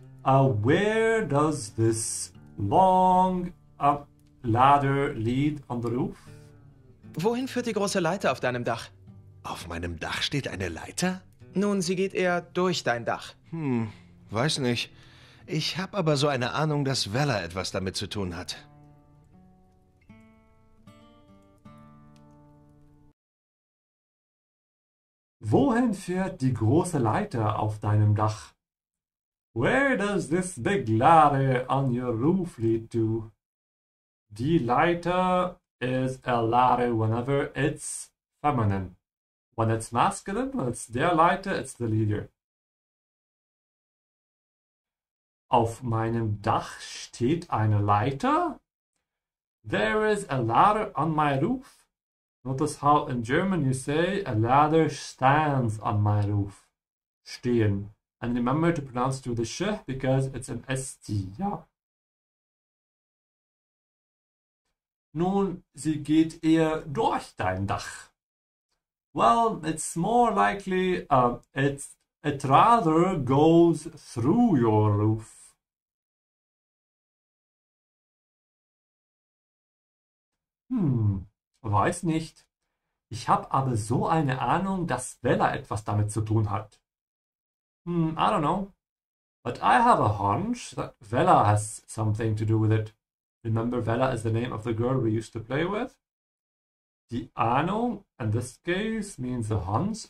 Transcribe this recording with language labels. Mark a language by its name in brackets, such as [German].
[English] Where does this long ladder lead on the roof? [German] Wohin führt die große Leiter auf deinem Dach? Auf meinem Dach steht eine Leiter? Nun, sie geht eher durch dein Dach. Weiß nicht. Ich habe aber so eine Ahnung, dass Vella etwas damit zu tun hat. Wohin führt die große Leiter auf deinem Dach? Where does this big ladder on your roof lead to? [English] Die Leiter is a ladder whenever it's feminine. When it's masculine, when it's der Leiter, it's the leader. [German] Auf meinem Dach steht eine Leiter. [English] There is a ladder on my roof. Notice how in German you say a ladder stands on my roof. Stehen. And remember to pronounce through the sh because it's an st. Yeah. [German] Nun, sie geht eher durch dein Dach. [English] Well, it's more likely it rather goes through your roof. [German] Weiß nicht. Ich habe aber so eine Ahnung, dass Vella etwas damit zu tun hat. [English] I don't know. But I have a hunch that Vella has something to do with it. Remember, Vella is the name of the girl we used to play with? Die Ahnung, in this case, means a hunch.